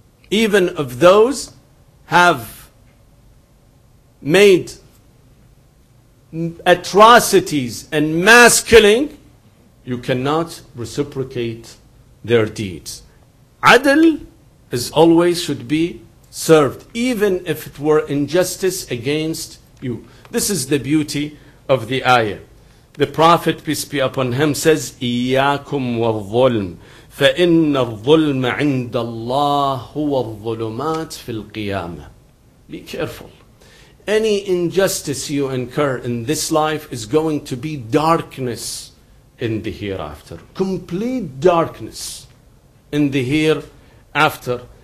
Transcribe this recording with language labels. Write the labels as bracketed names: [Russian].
[English] Even if those have made atrocities and mass killing, you cannot reciprocate their deeds. Adil is always should be served, even if it were injustice against you. This is the beauty of the ayah. The Prophet, peace be upon him, says, [Arabic] إِيَّاكُمْ وَالظُّلْمِ فَإِنَّ الظُّلْمَ عِنْدَ اللَّهِ هُوَ الظُّلُمَاتِ فِي الْقِيَامَةِ. [English] Be careful. Any injustice you incur in this life is going to be darkness in the hereafter. Complete darkness in the hereafter.